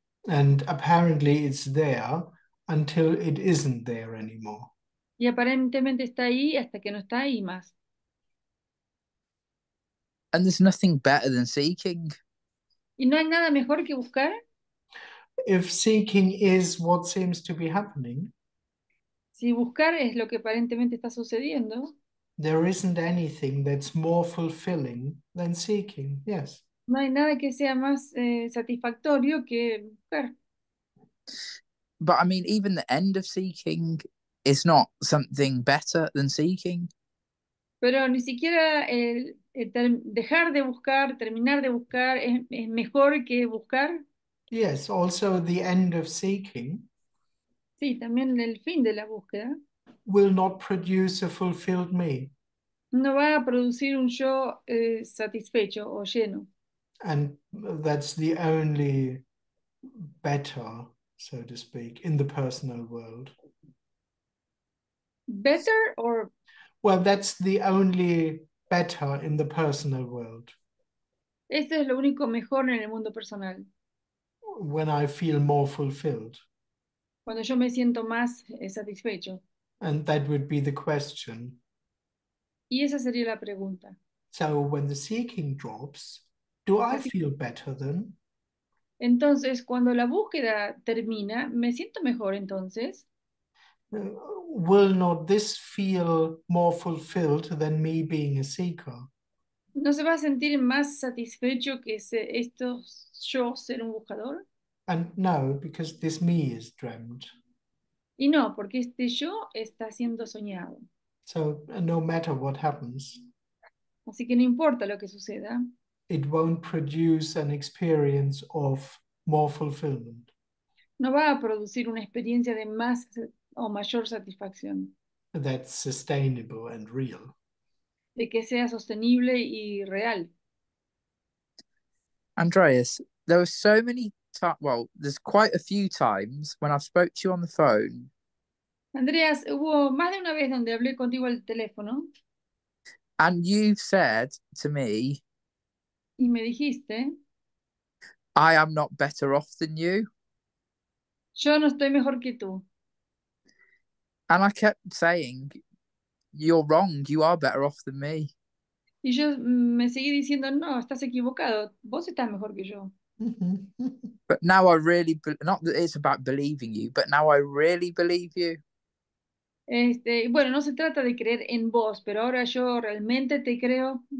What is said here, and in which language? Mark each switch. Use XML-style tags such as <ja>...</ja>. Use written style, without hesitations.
<en>And apparently it's there until it isn't there anymore.</en> <es>Y aparentemente está ahí hasta que no está ahí más.</es> <en>And there's nothing better than seeking.</en> <es>¿Y no hay nada mejor que buscar?</es> <en>If seeking is what seems to be happening,</en> <es>Si buscar es lo que aparentemente está sucediendo,</es> <en>there isn't anything that's more fulfilling than seeking. Yes.</en> <es>no hay nada que sea más satisfactorio que buscar.</es> <en>But I mean, even the end of seeking is not something better than seeking.</en> <es>Pero ni siquiera el dejar de buscar, terminar de buscar, es mejor que buscar.</es> <en>Yes, also the end of seeking</en> <es>Sí, también el fin de la búsqueda</es> <en>will not produce a fulfilled me.</en> <es>no va a producir un yo satisfecho o lleno.</es> <en>And that's the only better, so to speak, in the personal world. Better or Well, that's the only better in the personal world.</en> <es>este es lo único mejor en el mundo personal.</es> <en>When I feel more fulfilled.</en> <es>Cuando yo me siento más satisfecho.</es> <en>And that would be the question.</en> <es>Y esa sería la pregunta.</es> <en>So when the seeking drops, do I</en> <es>Así</es> <en>feel</en> <es>que,</es> <en>better then?</en> <es>entonces, cuando la búsqueda termina, me siento mejor entonces.</es> <en>Will not this feel more fulfilled than me being a seeker?</en> <es>¿No se va a sentir más satisfecho que esto yo ser un buscador?</es> <en>And no, because this me is dreamt.</en> <es>Y no, porque este yo está siendo soñado.</es> <en>So no matter what happens,</en> <es>Así que no importa lo que suceda.</es> <en>it won't produce an experience of more fulfillment.</en> <es>No va a producir una experiencia de más o mayor satisfacción.</es> <en>That's sustainable and real.</en> <es>De que sea sostenible y real.</es> <en>Andreas, there were so many. Well, there's quite a few times when I've spoke to you on the phone.</en> <es>Andreas, hubo más de una vez donde hablé contigo al teléfono</es> <en>And you've said to me,</en> <es>y me dijiste,</es> <en>I am not better off than you.</en> <es>Yo no estoy mejor que tú.</es> <en>And I kept saying, you're wrong, you are better off than me.</en> <es>Y yo me seguí diciendo, no, estás equivocado, vos estás mejor que yo.</es> <en>But now I really, not that it's about believing you, but now I really believe you.</en> <es>Bueno, no se trata de creer en vos, pero ahora yo realmente te creo.</es>